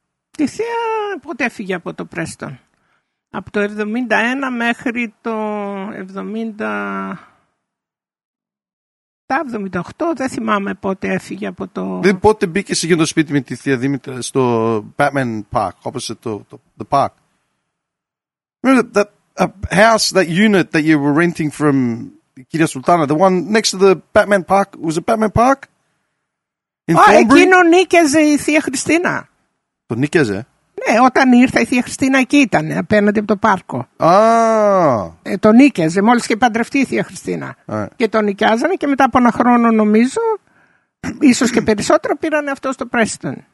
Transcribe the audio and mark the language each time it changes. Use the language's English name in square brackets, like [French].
[Greek] Τη θεία ποτέ έφυγε από το Πρέστον. Από το 71 μέχρι το 78. Δεν θυμάμαι πότε έφυγε από το... Δεν, πότε μπήκε σε το σπίτι με τη Θεία Δήμητρα στο Batman Park, [English] opposite the park. Remember that house, that unit that you were renting from Κυρία Σουλτάνα, the one next to the Batman Park, was it Batman Park? [Greek] Εκείνο νίκαιζε η Θεία Χριστίνα. Το νίκαιζε? Ναι, όταν ήρθε η Θεία Χριστίνα εκεί ήταν, απέναντι από το πάρκο. Ah. Το νίκιαζε, μόλις και παντρευτεί η Θεία Χριστίνα. [English] Yeah. [Greek] Και το νοικιάζανε και μετά από ένα χρόνο νομίζω, ίσως και περισσότερο, πήρανε αυτό στο Πρέστον.